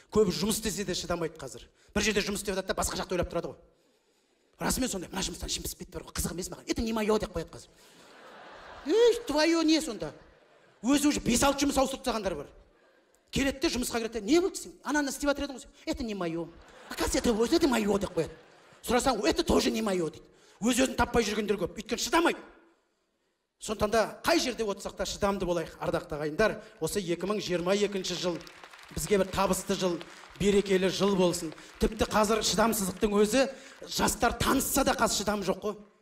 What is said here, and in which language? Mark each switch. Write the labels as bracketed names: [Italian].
[Kazakh] Көбі жұмыс істесе де шыдамайды қазір. Бір жерде жұмыс істеп жатса, басқа жақты ойлап тұрады ғой. Расымен сондай, мына жұмыстан шын пісіп кетті бар ғой, қызық емес маған. [Russian] Это не моё [Kazakh] деп қояды қазір. [Russian] Эй, твоё не [Kazakh] сонда? Өзі уже 5-6 жұмыс ауыстырып тастағандар бар. Келеді де жұмысқа кіреді, не болды сен? Ананы істеп жатыр едің ғой сен. [Russian] Это не моё. Оказывается, это [Kazakh] өзі де моё деп қояды. Сұрасаң, [Russian] это тоже не моё [Kazakh] дейді. Өз өзін таппай жүргендер көп, өйткені шыдамайды. Сондықтан да қай жерде отырсақ та шыдамды болайық, ардақты ағайындар. Осы 2022 жыл бізге бір табысты жыл, берекелі жыл болсын. Тіпті қазір шыдамсыздықтың өзі жастар танысса да қазір шыдам жоқ қой.